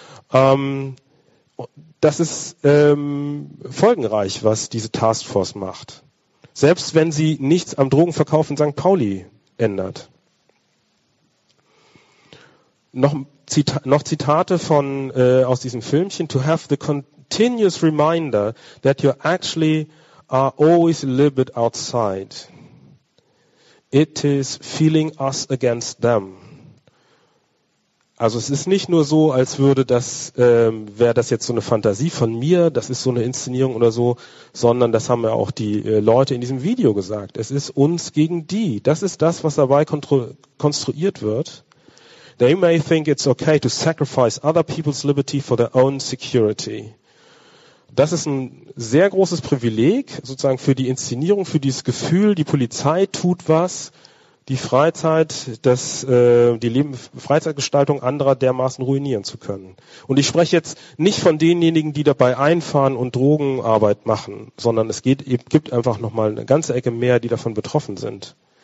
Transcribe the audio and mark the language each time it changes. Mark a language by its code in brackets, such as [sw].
[de] Das ist folgenreich, was diese Taskforce macht. Selbst wenn sie nichts am Drogenverkauf in St. Pauli ändert. Noch Zitate von aus diesem Filmchen. [en] To have the continuous reminder that you actually are always a little bit outside. It is feeling us against them. [de] Also es ist nicht nur so, als würde das, wäre das jetzt so eine Fantasie von mir, das ist so eine Inszenierung oder so, sondern das haben ja auch die Leute in diesem Video gesagt. Es ist uns gegen die. Das ist das, was dabei konstruiert wird. [en] They may think it's okay to sacrifice other people's liberty for their own security. [de] Das ist ein sehr großes Privileg, sozusagen für die Inszenierung, für dieses Gefühl, die Polizei tut was, die Freizeit, das, die Leben, Freizeitgestaltung anderer dermaßen ruinieren zu können. Und ich spreche jetzt nicht von denjenigen, die dabei einfahren und Drogenarbeit machen, sondern es geht, gibt einfach nochmal eine ganze Ecke mehr, die davon betroffen sind.